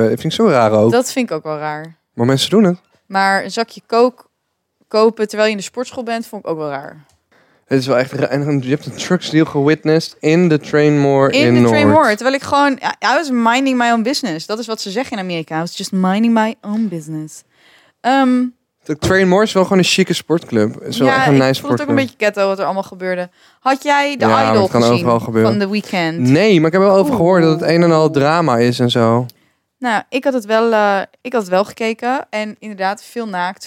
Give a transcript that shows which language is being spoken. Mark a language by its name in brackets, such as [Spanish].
[Dutch] Dat vind ik zo raar ook. Dat vind ik ook wel raar. Maar mensen doen het. Maar een zakje coke kopen terwijl je in de sportschool bent, vond ik ook wel raar. Het is wel echt raar. En je hebt een drugsdeal gewitnessed in de Trainmore in Noord. In de Trainmore. Terwijl ik gewoon, [English] I was minding my own business. [Dutch] Dat is wat ze zeggen in Amerika. [English] I was just minding my own business. [Dutch] De Trainmore is wel gewoon een chique sportclub. Het is wel echt een nice sportclub. Ik vond het ook een beetje ghetto wat er allemaal gebeurde. Had jij de Idol gezien? Ja, dat kan overal gebeuren. Van de Weeknd. Nee, maar ik heb wel over gehoord dat het een en al drama is en zo. Nou, ik had het wel gekeken. En inderdaad, veel naakt.